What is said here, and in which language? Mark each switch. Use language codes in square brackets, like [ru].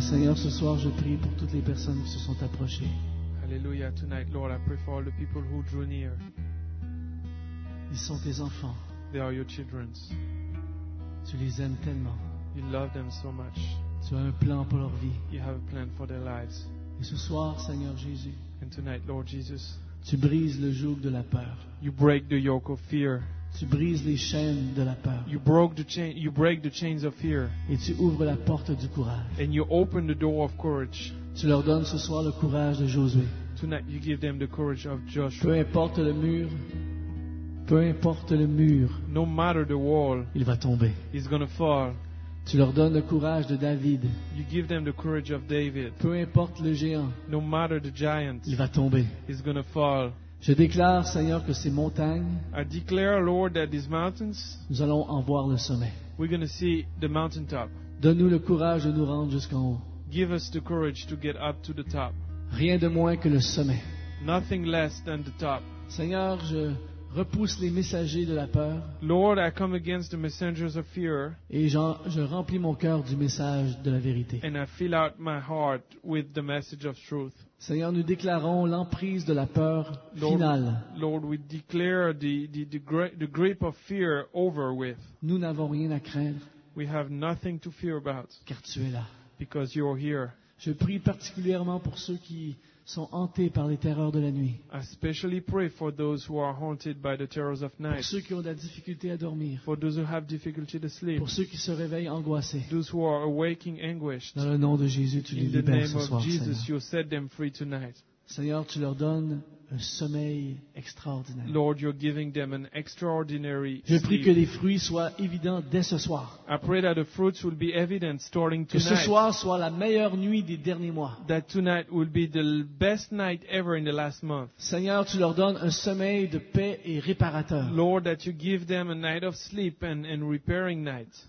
[fr] Seigneur, ce soir, je prie pour toutes les personnes qui se sont approchées. Alléluia. [en] Tonight, Lord, I pray for all the people who drew near. [fr] Ils sont tes enfants. [en] They are your children. [fr] Tu les aimes tellement. [en] You love them so much. [fr] Tu as un plan pour leur vie. [en] You have a plan for their lives. [fr] Et ce soir, Seigneur Jésus, [en] and tonight, Lord Jesus, [fr] Tu brises le joug de la peur. [en] You break the yoke of fear. [fr] Tu brises les chaînes de la peur. [en] You break the chains of fear. [fr] Et tu ouvres la porte du courage. [en] And you open the door of courage. [fr] Tu leur donnes ce soir le courage de Josué. [en] Tonight you give them the courage of Joshua. [fr] Peu importe le mur. Peu importe le mur. [en] No matter the wall. [fr] Il va tomber. [en] He's gonna fall. [fr] Tu leur donnes le courage de David. [en] You give them the courage of David. [fr] Peu importe le géant. [en] No matter the giant. [fr] Il va tomber. [en] He's gonna fall. [fr] Je déclare, Seigneur, que ces montagnes, [en] I declare, Lord, that these mountains, [fr] nous allons en voir le sommet. [en] We're gonna see the mountaintop. [fr] Donne-nous le courage de nous rendre jusqu'en haut. [en] Give us the courage to get up to the top. [fr] Rien de moins que le sommet. [en] Nothing less than the top. [fr] Seigneur, je repousse les messagers de la peur. [en] Lord, I come against the messengers of fear. [fr] Et je remplis mon cœur du message de la vérité. [en] And I fill out my heart with the message of truth. [fr] Seigneur, nous déclarons l'emprise de la peur finale. [en] Lord, we declare the grip of fear over with. [fr] Nous n'avons rien à craindre. [en] We have nothing to fear about. [fr] Car tu es là. [en] Because you are here. [fr] Je prie particulièrement pour ceux qui sont hantés par les terreurs de la nuit. [en] I especially pray for those who are haunted by the terrors of night. [fr] Pour ceux qui ont de la difficulté à dormir. [en] For those who have difficulty to sleep. [fr] Pour ceux qui se réveillent angoissés. [en] Those who are awaking anguished. [fr] Dans le nom de Jésus, tu les libères ce soir, Seigneur. [en] In the name of Jesus, you set them free tonight. [fr] Seigneur, tu leur donnes un sommeil extraordinaire. [en] Lord, you're giving them an extraordinary sleep. [fr] Je prie que les fruits soient évidents dès ce soir. [en] I pray that the fruits will be evident starting tonight. [fr] Que ce soir soit la meilleure nuit des derniers mois. [en] That tonight will be the best night ever in the last month. [fr] Seigneur, tu leur donnes un sommeil de paix et réparateur. [en] Lord, that you give them a night of sleep and repairing night.